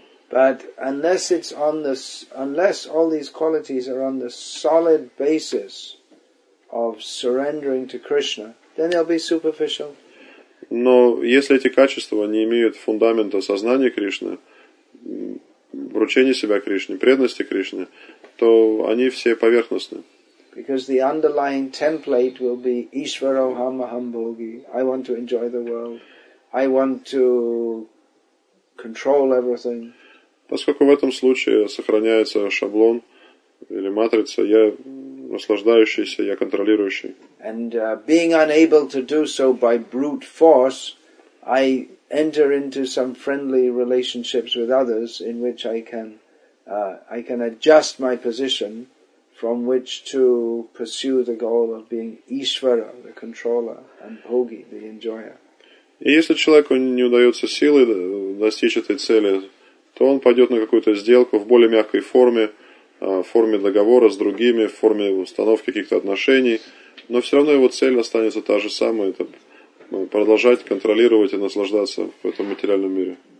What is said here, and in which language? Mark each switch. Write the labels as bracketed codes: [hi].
[en] But unless it's on this, unless all these qualities are on the solid basis of surrendering to Krishna, then they'll be superficial. [ru] Но если эти качества не имеют фундамента сознания Кришны, вручения себя Кришне, преданности Кришне, то они все поверхностны. [en] Because the underlying template will be [sa] Ishvaroham Aham Bhogi. [en] I want to enjoy the world. I want to control everything. [ru] Поскольку в этом случае сохраняется шаблон или матрица, я наслаждающийся, я контролирующий. [en] And being unable to do so by brute force, I enter into some friendly relationships with others in which I can adjust my position from which to pursue the goal of being Ishvara, the controller, and Bhogi, the enjoyer. [ru] И если человеку не удается силой достичь этой цели, то он пойдет на какую-то сделку в более мягкой форме, в форме договора с другими, в форме установки каких-то отношений, но все равно его цель останется та же самая, это продолжать контролировать и наслаждаться в этом материальном мире.